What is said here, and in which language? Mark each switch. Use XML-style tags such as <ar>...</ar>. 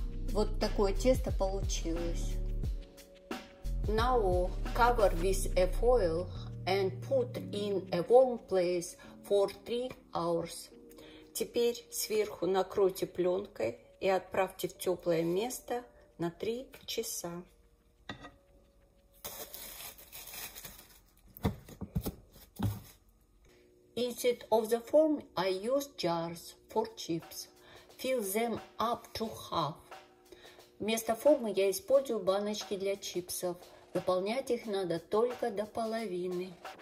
<ru>Вот такое тесто получилось.</ru> <en>Now cover with a foil and put in a warm place for 3 hours.</en> <ru>Теперь сверху накройте пленкой и отправьте в теплое место на 3 часа.</ru> <en>In instead of the form, I use jars for chips. Fill them up to half.</en> <ru>Вместо формы я использую баночки для чипсов. Заполнять их надо только до половины.</ru>